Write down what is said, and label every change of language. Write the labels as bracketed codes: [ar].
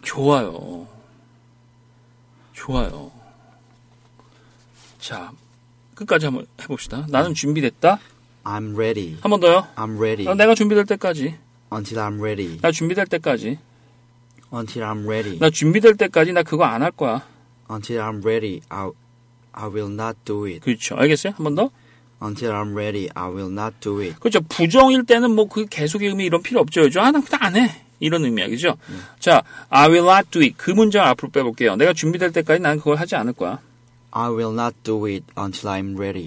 [ko] 좋아요. 좋아요. 자, 끝까지 한번 해봅시다. 나는 준비됐다. [en] I'm ready. [ko] 한 번 더요. [en] I'm ready. [ko] 내가 준비될 때까지. [en] Until I'm ready. [ko] 나 준비될 때까지. [en] Until I'm ready. [ko] 나 준비될 때까지 나 그거 안 할 거야. [en] Until I'm ready, I will not do it. [ko] 그렇죠. 알겠어요? 한 번 더. [en] Until I'm ready, I will not do it. [ko] 그렇죠. 부정일 때는 뭐 그 계속의 의미 이런 필요 없죠. 그렇죠? 아, 난 그냥 안 해. 이런 의미야, 그죠? 자, [en] I will not do it. [ko] 그 문장 앞으로 빼볼게요. 내가 준비될 때까지 난 그걸 하지 않을 거야. [en] I will not do it until I'm ready.